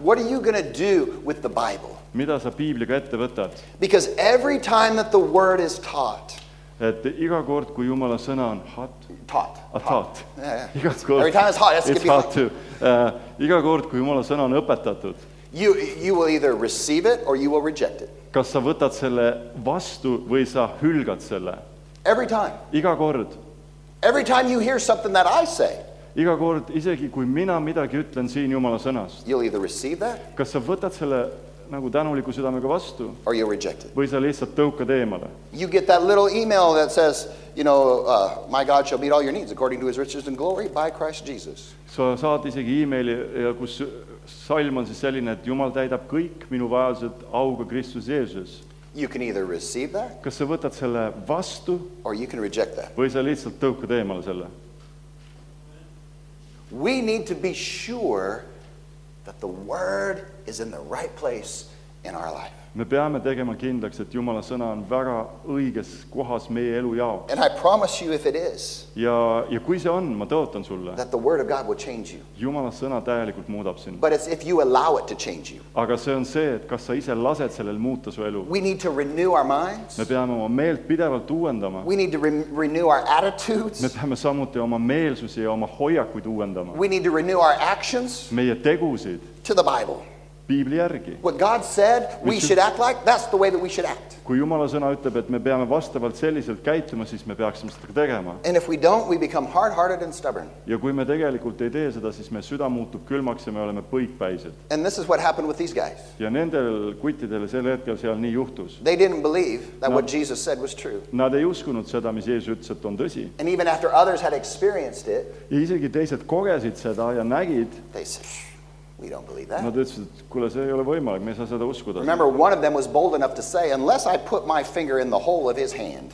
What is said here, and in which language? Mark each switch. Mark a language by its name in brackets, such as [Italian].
[English] What are you going to do with the Bible? [Estonian] Mida sa Biibliga ette võtad? [English] Because every time that the word is taught. [Estonian] Et iga kord kui Jumala sõna on [English] taught. [Estonian] Iga kord. [English] Every time it's taught, it's taught too. [Estonian] Iga kord kui Jumala sõna on õpetatud. [English] You will either receive it or you will reject it. [Estonian] Kas sa võtad selle vastu või sa hülgad selle? [English] Every time. [Estonian] Iga kord. [English] Every time you hear something that I say. [Estonian] Iga kord isegi kui mina midagi ütlen siin Jumala sõnast. [English] You'll either receive that? [Estonian] Kas sa võtad selle nagu tänuliku südamega vastu? [English] Or you reject it? [Estonian] Või sa lihtsalt tõukad eemale? [English] You get that little email that says, you know, my God shall meet all your needs according to his riches and glory by Christ Jesus. [Estonian] Sa saad isegi e-maili ja kus salm on siis selline, et Jumal täidab kõik minu vajadused auga Kristus Jeesus. [English] You can either receive that? [Estonian] Kas sa võtad selle vastu? [English] Or you can reject that? [Estonian] Või sa lihtsalt tõukad eemale selle? [English] We need to be sure that the word is in the right place in our life. [Estonian] Me peame tegema kindlaks, et Jumala sõna on väga õiges kohas meie elu jaoks. [English] And I promise you if it is. [Estonian] Ja kui see on, ma tõotan sulle. [English] That the word of God will change you. [Estonian] Jumala sõna täielikult muudab sind. [English] But it's if you allow it to change you. [Estonian] Aga see on see, et kas sa ise lased sellel muuta su elu. [English] We need to renew our minds. [Estonian] Me peame oma meelt pidevalt uuendama. [English] We need to renew our attitudes. [Estonian] Me peame samuti oma meelsusi ja oma hoiakuid uuendama. [English] We need to renew our actions. [Estonian] Meie tegusid. [English] To the Bible. [Estonian] Biibli järgi. [English] What God said we should act like, that's the way that we should act. [Estonian] Kui Jumala sõna ütleb, et me peame vastavalt selliselt käituma, siis me peaksime seda tegema. [English] And if we don't, we become hard-hearted and stubborn. [Estonian] Ja kui me tegelikult ei tee seda, siis me süda muutub külmaks ja me oleme põikpäised. [English] And this is what happened with these guys. [Estonian] Ja nendel kuttidel sel hetkel seal nii juhtus. [English] They didn't believe that what Jesus said was true. [Estonian] Nad ei uskunud seda, mis Jeesus ütles, et on tõsi. [English] And even after others had experienced it. [Estonian] Ja isegi teised kogesid seda ja nägid. [English] They said, we don't believe that. [Estonian] Nad ütlesid, kuule, see ei ole võimalik, me ei saa seda uskuda. [English] Remember, one of them was bold enough to say, unless I put my finger in the hole of his hand.